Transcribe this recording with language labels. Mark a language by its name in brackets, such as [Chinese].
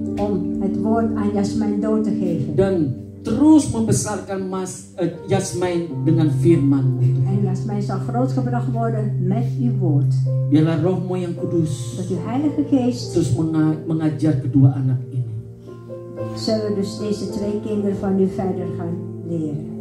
[Dutch] Om het woord aan Jasmine door te geven. [Indonesian] Dan terus membesarkan Jasmine dengan firman. [Dutch] En Jasmine zal grootgebracht worden met uw woord. [Indonesian] Biarlah Roh-Mu yang kudus. [Dutch] Dat uw heilige geest. [Indonesian] Terus mengajar kedua anak ini. [Dutch] Zullen dus deze twee kinderen van u verder gaan leren.